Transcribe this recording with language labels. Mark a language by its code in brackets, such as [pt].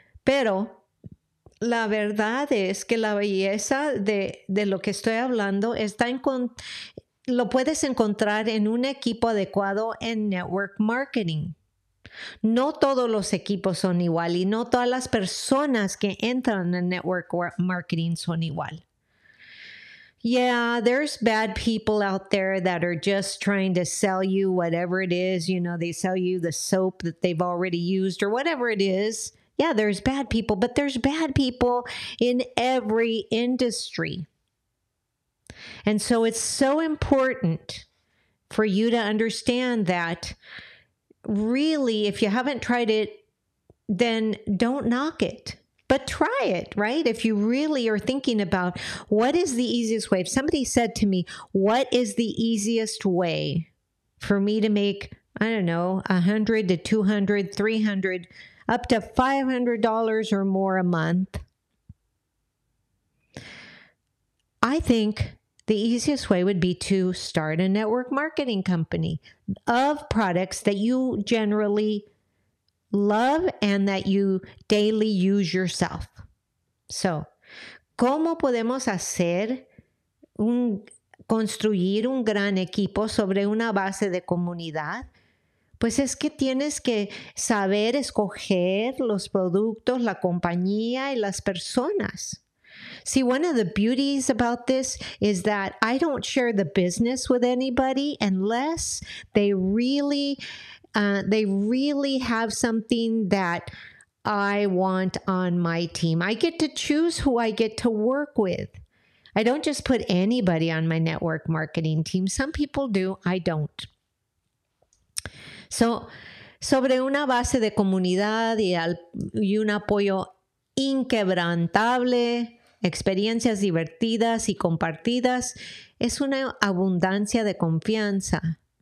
[es] Pero la verdad es que la belleza de lo que estoy hablando lo puedes encontrar en un equipo adecuado en network marketing. No todos los equipos son igual y no todas las personas que entran en network marketing son igual. [en] Yeah, there's bad people out there that are just trying to sell you whatever it is. You know, they sell you the soap that they've already used or whatever it is. Yeah, there's bad people, but there's bad people in every industry. And so it's so important for you to understand that really, if you haven't tried it, then don't knock it, but try it, right? If you really are thinking about what is the easiest way, if somebody said to me, what is the easiest way for me to make, I don't know, $100 to $200, $300, up to $500 or more a month. I think the easiest way would be to start a network marketing company of products that you generally love and that you daily use yourself. [es] So, ¿cómo podemos hacer construir un gran equipo sobre una base de comunidad? Pues es que tienes que saber escoger los productos, la compañía y las personas. [en] See, one of the beauties about this is that I don't share the business with anybody unless they really have something that I want on my team. I get to choose who I get to work with. I don't just put anybody on my network marketing team. Some people do. I don't. [es] So, sobre una base de comunidad y un apoyo inquebrantable, experiencias divertidas y compartidas, es una abundancia de confianza.